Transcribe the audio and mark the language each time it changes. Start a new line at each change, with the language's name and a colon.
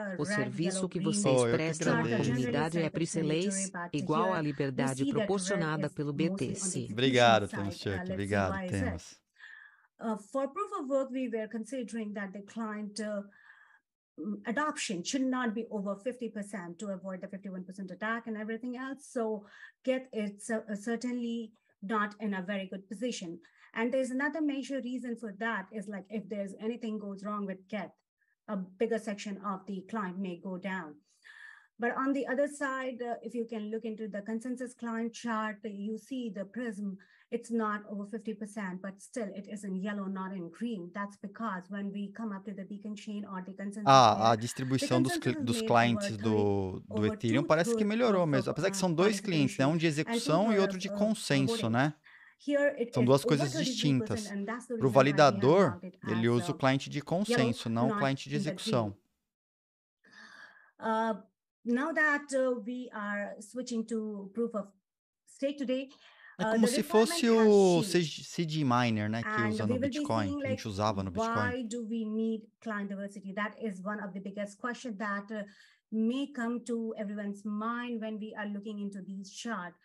Portuguese: O serviço que vocês prestam à comunidade é Priceless, igual à liberdade proporcionada pelo BTC. Obrigado, Temos Chuck. Obrigado, Temos.
English: For proof of work, we were considering that the client adoption should not be over 50% to avoid the 51% attack and everything else. So get it certainly not in a very good position. And there's another major reason for that is like if there's anything goes wrong with Geth, a bigger section of the client may go down. But on the other side, if you can look into the consensus client chart, you see the prism, it's not over 50%, but still it is in yellow, not in green. That's because when we come up to the beacon chain or the consensus.
Portuguese: Ah, a distribuição dos clientes do Ethereum parece que melhorou mesmo. Apesar que são dois clientes, né? Um de execução e outro de consenso, né? São duas coisas distintas. Para o validador, ele usa o cliente de consenso, não o cliente de execução.
English: Now that we are switching to proof of stake today.
Portuguese: É como se fosse o seed miner, né, que usa no Bitcoin, que a gente usava no Bitcoin.
English: Why do we need client diversity? That is one of the biggest questions that may come to everyone's mind when we are looking into these charts.